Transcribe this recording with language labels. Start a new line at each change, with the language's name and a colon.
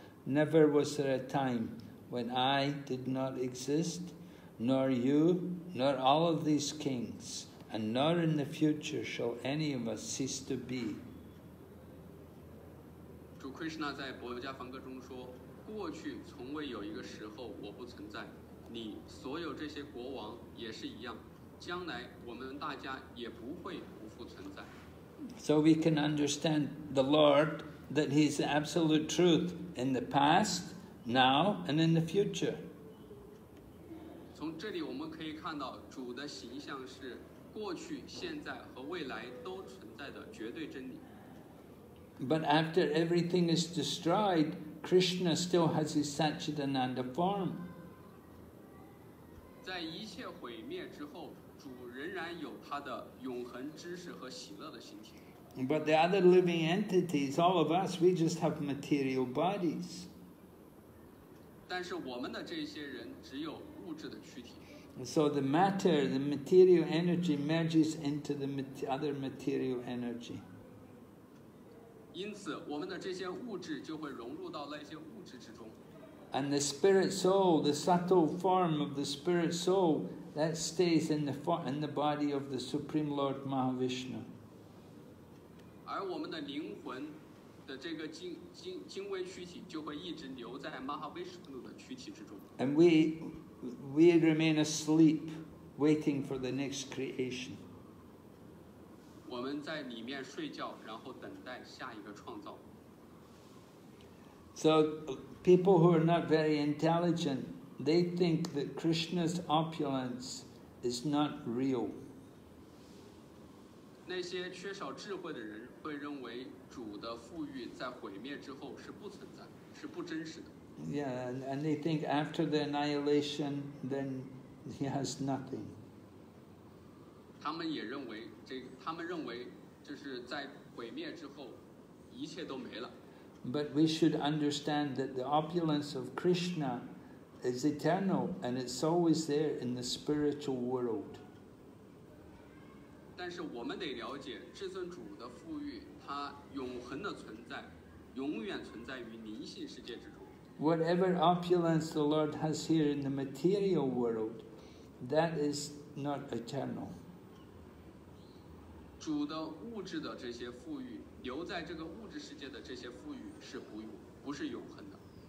English: Never was there a time when I did not exist, nor you, nor all of these kings. And nor in the future shall any of us cease to be.
Chinese: 主 Krishna 在《博伽梵歌》中说：“过去从未有一个时候我不存在，你所有这些国王也是一样，将来我们大家也不会不复存在。”
English: So we can understand the Lord that He is the absolute truth in the past, now, and in the future.
Chinese: 从这里我们可以看到主的形象是。过去、现在和未来都存在的绝对真理。
English: But after everything is destroyed, Krishna still has his Satchidananda form.
Chinese: 在一切毁灭之后，主仍然有他的永恒知识和喜乐的形体。
English: But the other living entities, all of us, we just have material bodies.
Chinese: 但是我们的这些人只有物质的躯体。
English: So the matter, the material energy, merges into the other material energy.
Chinese: 因此，我们的这些物质就会融入到那些物质之中。
English: And the spirit soul, the subtle form of the spirit soul, that stays in the body of the Supreme Lord Mahavishnu.
Chinese: 而我们的灵魂的这个精微躯体就会一直留在 Mahavishnu 的躯体之中。
English: And we remain asleep, waiting for the next creation.
Chinese: 我们在里面睡觉，然后等待下一个创造。
English: So people who are not very intelligent, they think that Krishna's opulence is not real.
Chinese: 那些缺少智慧的人会认为主的富裕在毁灭之后是不存在，是不真实的。
English: Yeah, and they think after the annihilation, then he has nothing.
Chinese: 他们也认为这，他们认为就是在毁灭之后，一切都没了。
English: But we should understand that the opulence of Krishna is eternal, and it's always there in the spiritual world.
Chinese: 但是我们得了解，至尊主的富裕，它永恒的存在，永远存在于灵性世界之中。
English: Whatever opulence the Lord has here in the material world, that is not eternal.
Chinese: 主的物质的这些富裕，留在这个物质世界的这些富裕是不是永恒的。